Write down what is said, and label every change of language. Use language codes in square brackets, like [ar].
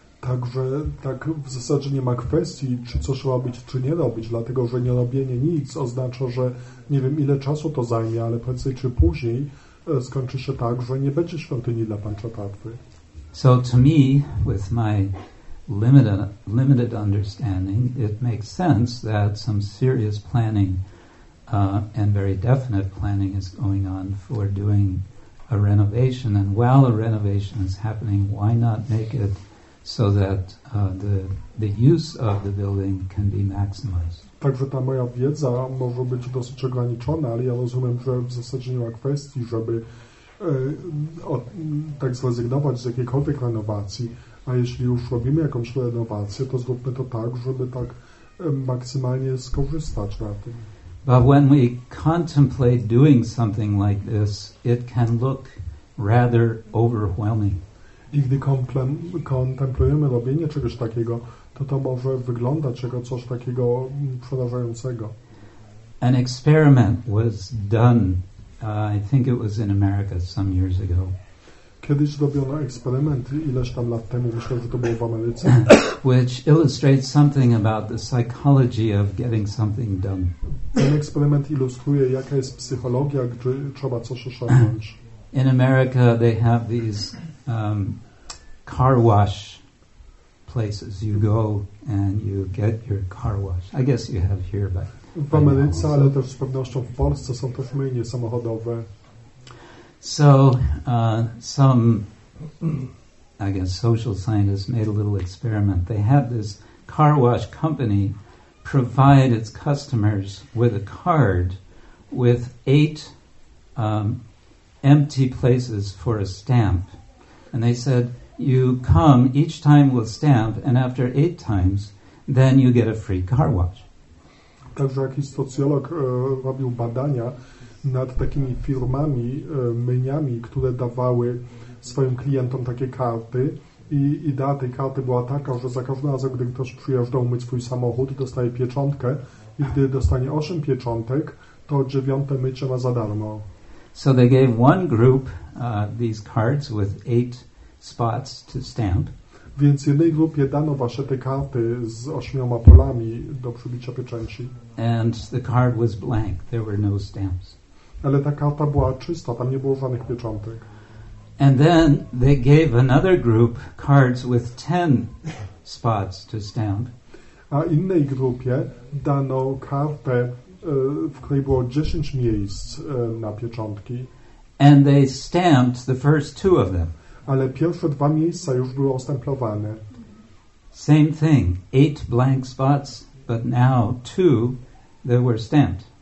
[pl] Także tak w zasadzie nie ma kwestii, czy coś robić, czy nie robić, dlatego że nie robienie nic oznacza, że nie wiem ile czasu to zajmie, ale prędzej czy później skończy się tak, że nie będzie świątyni dla Panchatattvy. [en] So to me, with my limited understanding, it makes sense that some serious planning and very definite planning is going on for doing a renovation. And while a renovation is happening, why not make it so that the use of the building can be maximized? [pl] Także ta moja wiedza może być dosyć ograniczona, ale ja rozumiem, że w zasadzie nie ma kwestii, żeby tak zrezygnować z jakiejkolwiek renowacji, a jeśli już robimy jakąś renowację, to zróbmy to tak, żeby tak maksymalnie skorzystać na tym. [en] But when we contemplate doing something like this, it can look rather overwhelming. [pl] I gdy kontemplujemy robienie czegoś takiego, to może wyglądać jako coś takiego przerażającego. [en] An experiment was done, I think it was in America some years ago. [pl] Kiedyś zrobiono eksperyment ileś tam lat temu, myślę, że to było w Ameryce. [en] Which illustrates something about the psychology of getting something done. [pl] Ten eksperyment ilustruje, jaka jest psychologia, gdy trzeba coś osiągnąć. [en] In America they have these car wash places. You go and you get your car wash. I guess you have here, but [pl] w Ameryce, ale też z pewnością w Polsce są też myjnie samochodowe. [en] So some, I guess, social scientists made a little experiment. They had this car wash company provide its customers with a card with 8 empty places for a stamp. And they said, you come each time with stamp, and after 8 times, then you get a free car wash. [pl] Także jakiś socjolog robił badania nad takimi firmami, myniami, które dawały swoim klientom takie karty. I idea tej karty była taka, że za każdym razem, gdy ktoś przyjeżdża umyć swój samochód, dostaje pieczątkę. I gdy dostanie 8 pieczątek, to 9 mycie ma za darmo. [en] So they gave one group these cards with 8 spots to stamp. [pl] Więc jednej grupie dano wasze te karty z 8 polami do przybicia pieczęci. [en] And the card was blank. There were no stamps. [pl] Ale ta karta była czysta, tam nie było żadnych pieczątek. [en] And then they gave another group cards with 10 spots to stamp. [pl] A innej grupie dano kartę, w której było 10 miejsc na pieczątki. [en] And they stamped the first 2 of them. [pl] Ale pierwsze 2 miejsca już były ostemplowane. [en] Same thing, 8 blank spots, but now 2 that were stamped.